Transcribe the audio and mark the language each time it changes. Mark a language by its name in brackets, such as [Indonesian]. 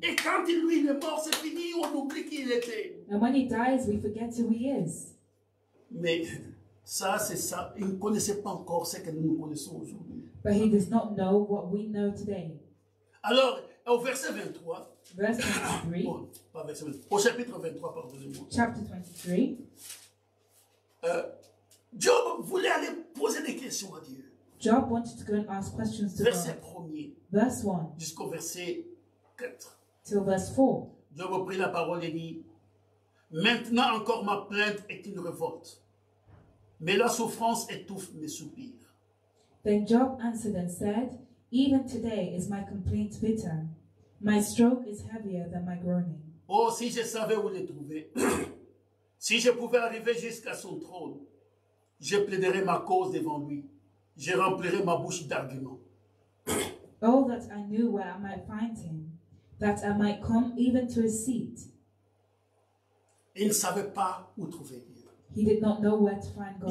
[French] Et quand lui il est mort, c'est fini, on oublie qui il était. [English] And when he dies, we forget who he is. [French] Mais ça, c'est ça. Il ne connaissait pas encore ce que nous connaissons aujourd'hui. [English] But he does not know what we know today. [French] Alors, au verset 23. [English] Verse 23. [French] Bon, pas verset 23. Au chapitre 23, pardonnez-moi. [English] Chapter 23. [French] Job voulait aller poser des questions à Dieu. [English] Job wanted to go and ask questions to [French] verset [English] God. [French] Verset 1er. [English] Verse 1. [French] Jusqu'au verset 4. [English] Till verse 4. [French] Job a pris la parole et dit, maintenant encore ma plainte est une révolte, mais la souffrance étouffe mes soupirs. [English] Then Job answered and said, even today is my complaint bitter. My stroke is heavier than my groaning. [French] Oh, si je savais où le trouver, si je pouvais arriver jusqu'à son trône, je plaiderais ma cause devant lui. Je remplirai ma bouche d'arguments. [English] Oh, that I knew where I might find him, that I might come even to his seat. [French] Il ne savait pas où trouver Dieu. [English] He did not know where to find God.